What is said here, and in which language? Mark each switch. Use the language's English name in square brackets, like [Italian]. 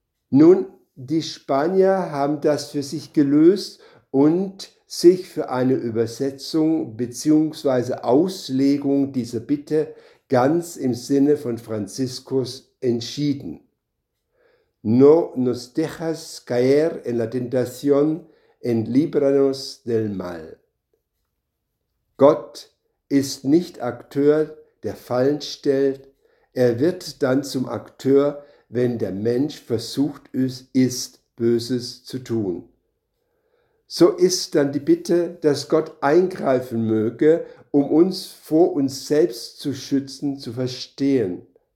[German] Nun, die Spanier haben das für sich gelöst und sich für eine Übersetzung bzw. Auslegung dieser Bitte ganz im Sinne von Franziskus entschieden. [Spanish] No nos dejas caer en la tentación, en líbranos del mal. [German] Gott ist nicht Akteur, der Fallen stellt, er wird dann zum Akteur, wenn der Mensch versucht ist, Böses zu tun. So ist dann die Bitte, dass Gott eingreifen möge, um uns vor uns selbst zu schützen, zu verstehen.